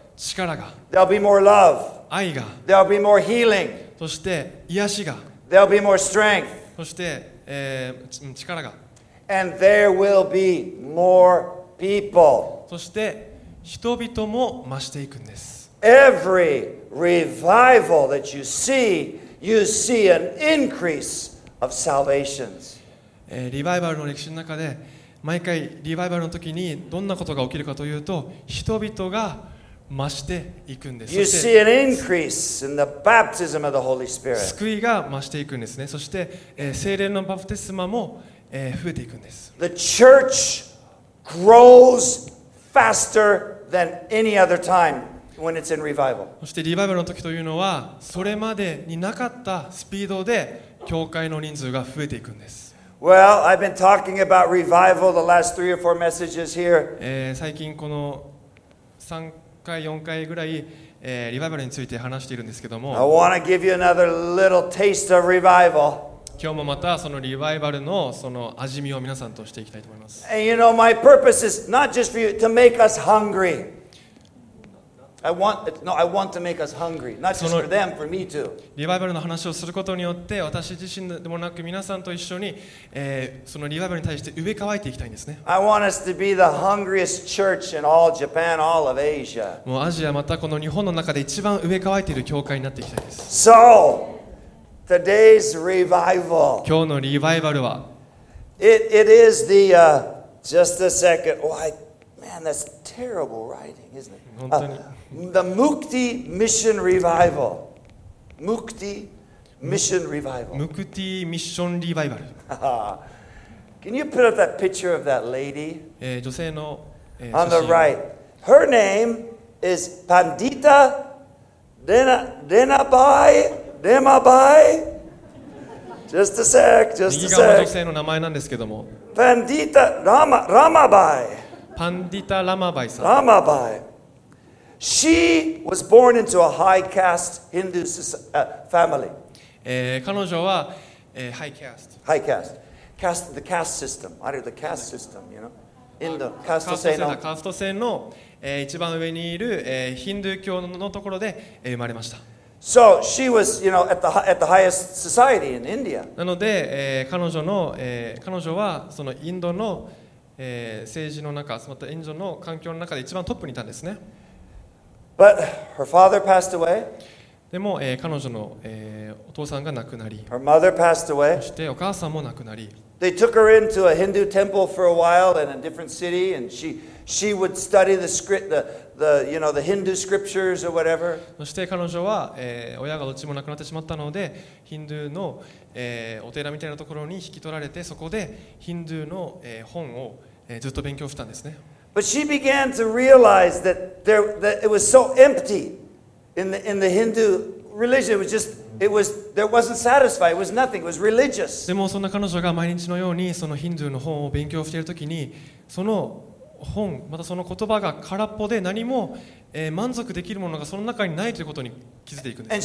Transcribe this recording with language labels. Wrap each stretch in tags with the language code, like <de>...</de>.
<ja>力が、</ja> <en>There'll be more love、</en> <ja>愛が、</ja> <en>There'll be more healing、</en> <ja>そして癒しが、</ja> <en>There'll be more strength、</en> <ja>そして、力が、</ja> <en>And there will be more people、</en> <ja>そして人々も増していくんです。</ja> <en>Every revival that you see, you see an increase of salvations。</en> <ja>リバイバルの歴史の中で毎回リバイバルの時にどんなことが起きるかというと人々が増していくんです。</ja> <en>You see an increase in the baptism of the Holy Spirit。</en> <ja>救いが増していくんですね。そして、聖霊のバプテスマも、増えていくんです。</ja> <en>The church grows faster than any other time when it's in revival。</en> <ja>そしてリバイバルの時というのはそれまでになかったスピードで教会の人数が増えていくんです。</ja> <en>Well, I've been talking about revival the last three or four messages here.</en> <ja>最近この3回4回ぐらい、リバイバルについて話しているんですけども。</ja> <en>I want to give you another little taste of revival.</en> <ja>今日もまたそのリバイバルのその味見を皆さんとしていきたいと思います。</ja> <en>And you know, my purpose is not just for you to make us hungry. I want to make us hungry, not just for them, for me too.</en> <ja>リバイバルの話をすることによって、私自身でもなく皆さんと一緒に、そのリバイバルに対して上乾いていきたいんですね。</ja> <en>I want us to be the hungriest church in all Japan, all of Asia.</en> <ja>もうアジアまたこの日本の中で一番上乾いている教会になっていきたいです。</ja> <en>So, today's revival.</en> <ja>今日のリバイバルは、</ja> <en>It is the, just a second. Why, man, that's terrible writing, isn't it?</en> <ja>本当に。</ja> <en>The Mukti Mission Revival. Mukti Mission Revival. Mukti Mission Revival. Can you put up that picture of that lady?</en> <ja>女性の、</ja> <en>on the right. Her name is Pandita Denabai Demabai. Just a sec, just a sec.</en> <ja>右側の女性の名前なんですけども。</ja> <en>Pandita Ramabai.</en> <ja>Pandita Ramabai さん。</ja> <en>Ramabai. She was born into a high caste Hindu family.</en> <ja>彼女は、</ja> <en>high caste. High caste. Caste, the caste system. I don't know, the caste system, you know. In the caste system.</en> <ja>Caste system の、一番上にいる、ヒンドゥー教のところで、生まれました。</ja> <en>So she was, you know, at the highest society in India.</en> <ja>なので、彼女の、彼女はそのインドの、政治の中、またインドの環境の中で一番トップにいたんですね。</ja> <en>But her father passed away.</en> <ja>でも、彼女の、お父さんが亡くなり、</ja> <en>her mother passed away.</en> <ja>そしてお母さんも亡くなり、</ja> <en>they took her into a Hindu temple for a while in a different city, and she would study the script, the you know the Hindu scriptures or whatever.</en> <ja>そして彼女は、親がどっちも亡くなってしまったので、ヒンドゥーの、お寺みたいなところに引き取られて、そこでヒンドゥーの、本を、ずっと勉強したんですね。</ja> <en>But she began to realize that that it was so empty in the Hindu religion. There wasn't satisfied. It was nothing. It was religious.</en> <ja>でもそんな彼女が毎日のようにそのヒンドゥーの本を勉強しているときに、その本またその言葉が空っぽで何も、満足できるものがその中にないということに気づいていくんです。</ja>